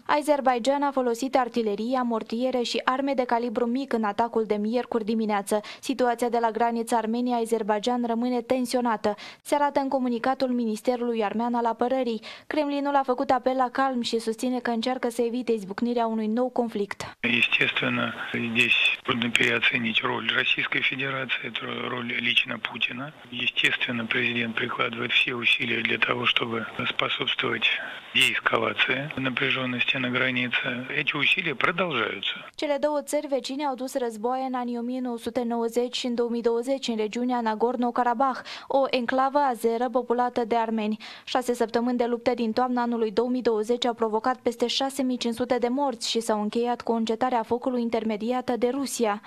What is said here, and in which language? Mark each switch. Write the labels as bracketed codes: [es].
[ro] Azerbaidjan a folosit artilerie, mortiere și arme de calibru mic în atacul de miercuri dimineață. Situația de la granița Armenia-Azerbaidjan rămâne tensionată, se arată în comunicatul Ministerului armean al apărării. Kremlinul a făcut apel la calm și susține că încearcă să evite izbucnirea unui nou conflict. [ru] Переоценить роль Российской Федерации, роль лично Путина. Естественно, президент прикладывает все усилия для того, чтобы способствовать деэскалации напряженности на границе. Эти усилия продолжаются. [ro] Cele două țări vecine au dus războaie în anii 1990 și în 2020 în regiunea Nagorno-Karabakh, o enclavă azeră populată de armeni. 6 săptămâni de lupte din toamna anului 2020 au provocat peste 6500 de morți și s-au încheiat cu încetarea focului intermediată de Rusia.